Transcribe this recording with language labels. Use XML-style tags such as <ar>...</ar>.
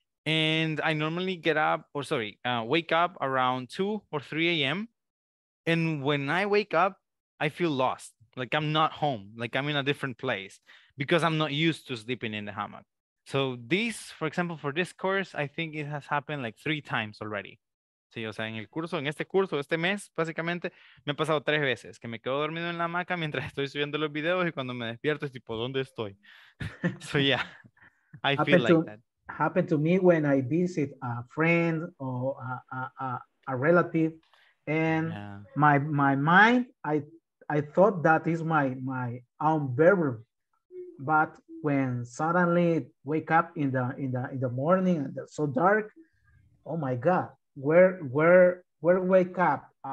<en>And I normally wake up around 2 or 3 a.m. And when I wake up, I feel lost. Like I'm not home, like I'm in a different place because I'm not used to sleeping in the hammock. So this, for example, for this course, I think it has happened like 3 times already.</en> <es>Sí, o sea, en el curso, en este curso, este mes, básicamente, me ha pasado 3 veces que me quedo dormido en la hamaca mientras estoy subiendo los videos y cuando me despierto es tipo, ¿dónde estoy?</es> <en>So yeah, I feel like that. Happened to me when I visit a friend or a relative and my mind, I thought that is my own bedroom, but when suddenly wake up in the morning and it's so dark, oh my God, where wake up?</en>